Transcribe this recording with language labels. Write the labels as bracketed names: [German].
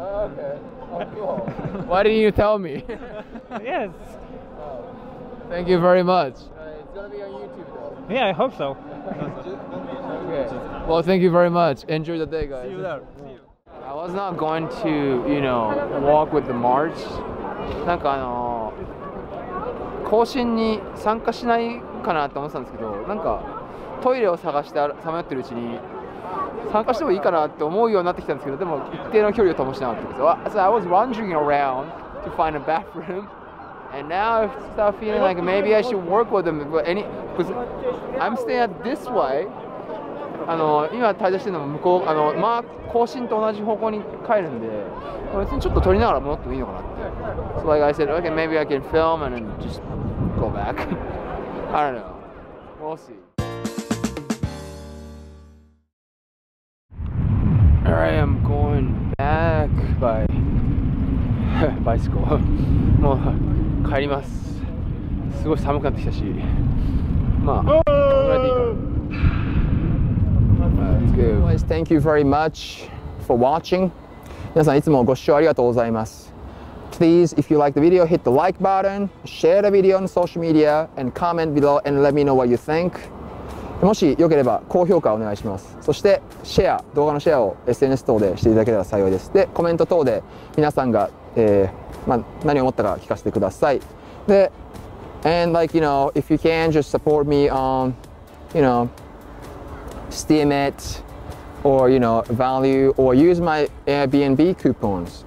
[English] Oh, okay. Oh, cool. Why didn't you tell me? Yes. Thank you very much. It's going to be on YouTube, though. Yeah, I hope so. Okay. Well, thank you very much. Enjoy the day, guys. See you there. I was not going to, you know, walk with the march. [Japanese] なんかあの行進に参加しないかなって思ってたんですけど、なんかトイレを探してさまよってるうちに参加してもいいかなって思うようになってきたんですけど、でも一定の距離を保ちながらってことです。 [English] So I was wandering around to find a bathroom, and now I start feeling like maybe I should work with them. But any, because I'm staying at this way. [Japanese] あの今滞在してるのも向こうあのマーク更新と同じ方向に帰るんで別にちょっと撮りながら戻ってもいいのかなって。 [English] So like I said, okay, maybe I can film and then just go back. I don't know. We'll see. Alright, I'm going back by bicycle. [Japanese] もう帰ります。すごい寒くなってきたし、まあ。 [English] Guys, thank you very much for watching. [Japanese] 皆さんいつもご視聴ありがとうございます。 [English] Please, if you like the video, hit the like button, share the video on social media, and comment below and let me know what you think. [Japanese] もしよければ高評価お願いします。そしてシェア、動画のシェアを SNS 等でしていただければ幸いです。で、コメント等で皆さんが、まあ、何を思ったか聞かせてください。で、 [English] and like, you know, if you can, just support me on you know, Steemit or, you know, Valu, or use my Airbnb coupons.